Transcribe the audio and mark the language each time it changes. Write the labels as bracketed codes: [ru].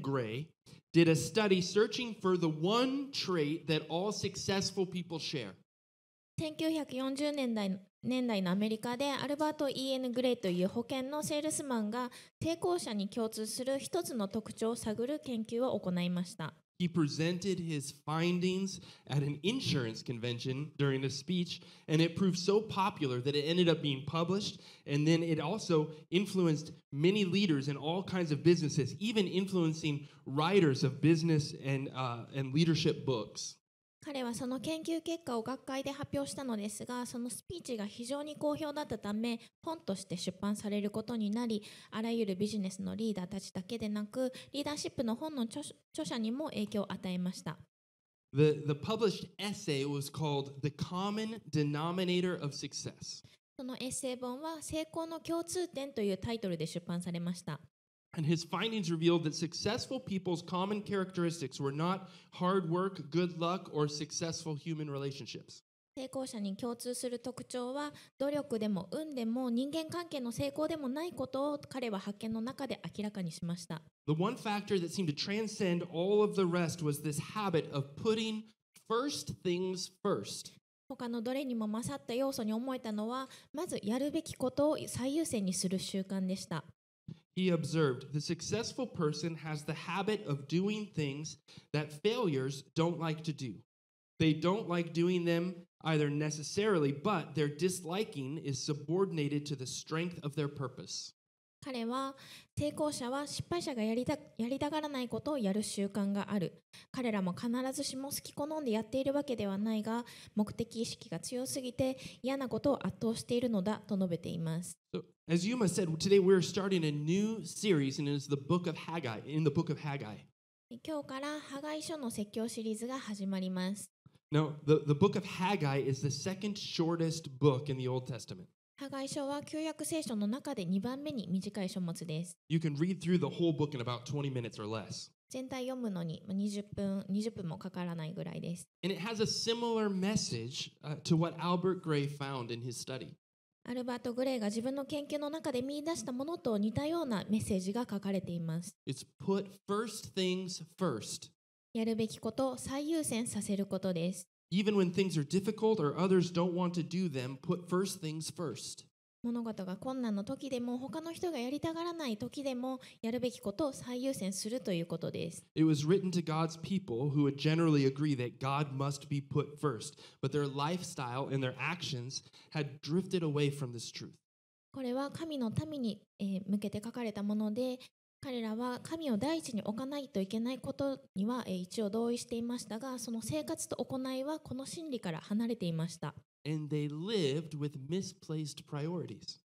[en] Gray did a study searching for the one trait that all successful people share. [ja] 1940年代のアメリカでアルバート E.N. グレイという保険のセールスマンが成功者に共通する一つの特徴を探る研究を行いました。 [en] He presented his findings at an insurance convention during a speech, and it proved so popular that it ended up being published, and then it also influenced many leaders in all kinds of businesses, even influencing writers of business and leadership books. [ja] 彼はその研究結果を学会で発表したのですが、そのスピーチが非常に好評だったため、本として出版されることになり、あらゆるビジネスのリーダーたちだけでなく、リーダーシップの本の著者にも影響を与えました。 [en] The published essay was called The Common Denominator of Success. [ja] そのエッセイ本は成功の共通点というタイトルで出版されました。 [en] And his findings revealed that successful people's common characteristics were not hard work, good luck, or successful human relationships. [ja] 成功者に共通する特徴は、努力でも運でも人間関係の成功でもないことを彼は発見の中で明らかにしました。 [en] The one factor that seemed to transcend all of the rest was this habit of putting first things first. [ja] 他のどれにも勝った要素に思えたのは、まずやるべきことを最優先にする習慣でした。 [en] He observed, the successful person has the habit of doing things that failures don't like to do. They don't like doing them either necessarily, but their disliking is subordinated to the strength of their purpose. [ja] 彼は、成功者は失敗者がやりたがらないことをやる習慣がある。彼らも必ずしも好き好んでやっているわけではないが、目的意識が強すぎて嫌なことを圧倒しているのだと述べています。 [en] So, as Yuma said, today we're starting a new series, and it's the book of Haggai, in the book of Haggai. [ja] 今日から、ハガイ書の説教シリーズが始まります。 [en] Now, the book of Haggai is the second shortest book in the Old Testament. [ja] ハガイ書は旧約聖書の中で2番目に短い書物です。 [en] You can read through the whole book in about 20 minutes or less. [ja] 全体読むのに20分もかからないぐらいです。 [en] And it has a similar message to what Albert Gray found in his study. [ja] アルバート・グレイが自分の研究の中で見出したものと似たようなメッセージが書かれています。 [en] It's put first things first. [ja] やるべきことを最優先させることです。 [en] Even when things are difficult or others don't want to do them, put first things first. [ja] 物事が困難の時でも、他の人がやりたがらない時でも、やるべきことを最優先するということです。 [en] It was written to God's people who would generally agree that God must be put first, but their lifestyle and their actions had drifted away from this truth. [ja] これは神の民に向けて書かれたもので、彼らは神を第一に置かないといけないことには一応同意していましたが、その生活と行いはこの真理から離れていました。 [en] And they lived with misplaced priorities.